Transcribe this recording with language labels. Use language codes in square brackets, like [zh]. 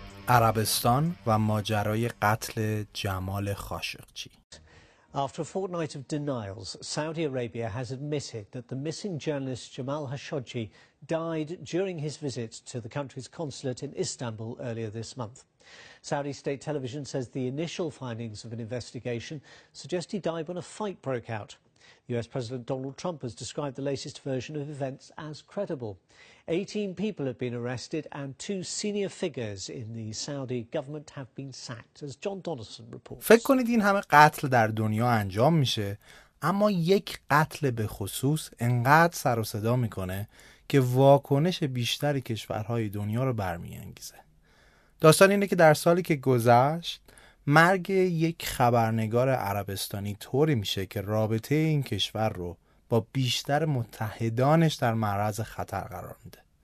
[fa] عربستان و ماجرای قتل جمال خاشقچی. [en] After a fortnight of denials, Saudi Arabia has admitted that the missing journalist Jamal Khashoggi died during his visit to the country's consulate in Istanbul earlier this month. Saudi state television says the initial findings of an investigation suggest he died when a fight broke out. US President Donald Trump has described the latest version of events as credible. 18 people have been arrested and two senior figures in the Saudi government have been sacked, as John Donaldson reports. [fa] فکر کنید این همه قتل در دنیا انجام میشه، اما یک قتل به خصوص انقدر سر و صدا میکنه که واکنش بیشتر کشورهای دنیا رو برمی‌انگیزه. داستان اینه که در سالی که گذشت مرگ یک خبرنگار عربستانی طوری میشه که رابطه این کشور رو با بیشتر متحدانش در معرض خطر قرار میده.